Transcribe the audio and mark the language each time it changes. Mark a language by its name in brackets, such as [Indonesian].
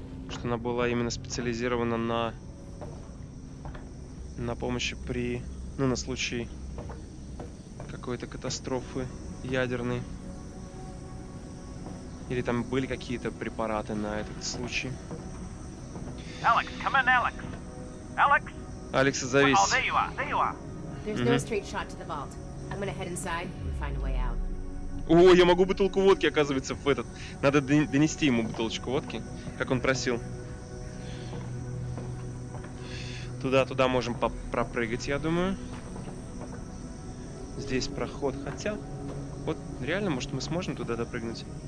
[Russian] что она была именно специализирована на... На помощи при... Ну, на случай... какой-то катастрофы ядерной. Или там были какие-то препараты на этот случай. [English] Алекс, come on, Alex. Alex? [Russian] Алекс, зовись. [English] Oh, there you are, there you are. There's no straight shot to the vault. I'm gonna head inside and find a way out. [Russian] О, я могу бутылку водки, оказывается, в этот. Надо донести ему бутылочку водки, как он просил. Туда-туда можем пропрыгать, я думаю. Здесь проход, хотя... Вот, реально, может, мы сможем туда допрыгнуть?